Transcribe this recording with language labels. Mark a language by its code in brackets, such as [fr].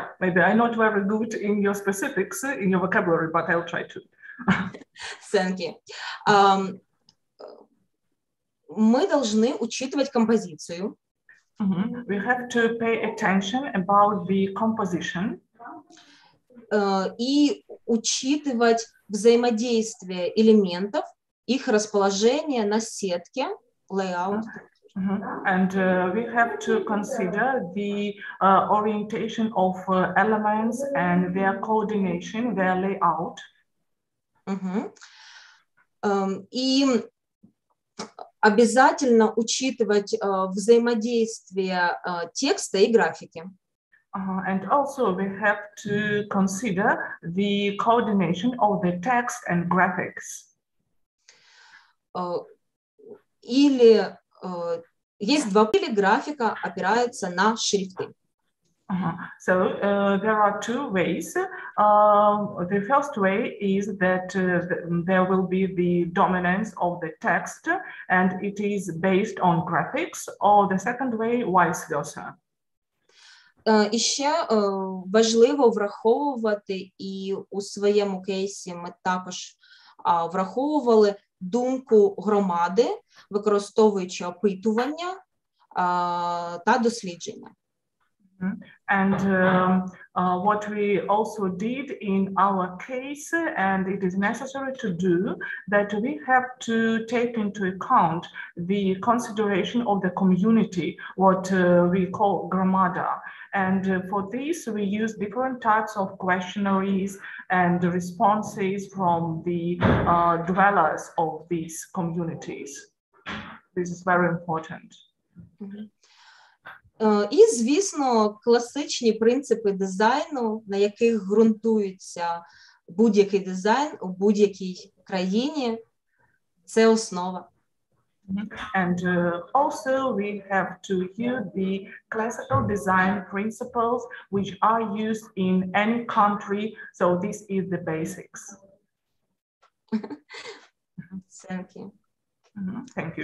[en] Maybe I'm not very good in your specifics, in your vocabulary, but I'll try to. Thank you. [ru] Мы должны учитывать композицию. Mm-hmm. [en] We have to pay attention about the composition. [ru] И учитывать взаимодействие элементов, их расположение на сетке, layout. Mm-hmm. [en] And we have to consider the orientation of elements and their coordination, their layout. Mm-hmm. [ru] И обязательно учитывать взаимодействие текста и графики. [en] And also we have to consider the coordination of the text and graphics. [ru] Или есть два, или графика опирается на шрифты. [en] Uh-huh. So there are two ways. The first way is that there will be the dominance of the text and it is based on graphics, or the second way, vice versa. [uk] Ще важливо враховувати, і у своєму кейсі ми також враховували думку громади, використовуючи опитування та дослідження. [en] And what we also did in our case, and it is necessary to do, that we have to take into account the consideration of the community, what we call громада. And for this, we use different types of questionnaires and responses from the dwellers of these communities. This is very important. Mm-hmm. [uk] І, звісно, класичні принципи дизайну, на яких ґрунтується будь-який дизайн у будь-якій країні, це основа. [en] And also we have to use the classical design principles which are used in any country, so this is the basics. Thank you. Thank you.